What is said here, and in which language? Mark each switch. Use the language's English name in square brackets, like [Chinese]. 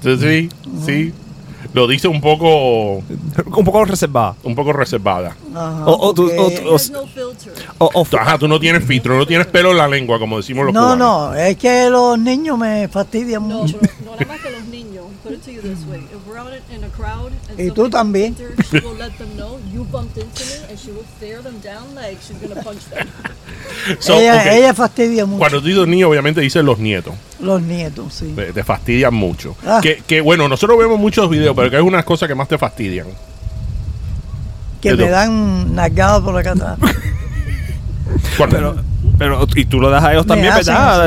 [Spanish] Sí, sí, sí. Lo dice un poco... un poco reservada. Un poco reservada. Ajá, tú no tienes filtro, no tienes pelo en la lengua, como decimos los cubanos. No, es que los niños me fastidian mucho. No, pero no nada más que los niños. [English] Put it to you this way. If we're out in a crowd... [Spanish] Y tú también. [English] She will let them know you bumped into me and she will stare them down like she's gonna punch them. [Spanish] So, ella fastidia mucho. Cuando tú dices niños, obviamente dicen los nietos. Los nietos, sí. Te fastidian mucho. Ah. Que bueno, nosotros vemos muchos videos, pero que hay unas cosas que más te fastidian. Que te dan nalgadas por acá atrás. Pero y tú lo das a ellos también, ¿verdad?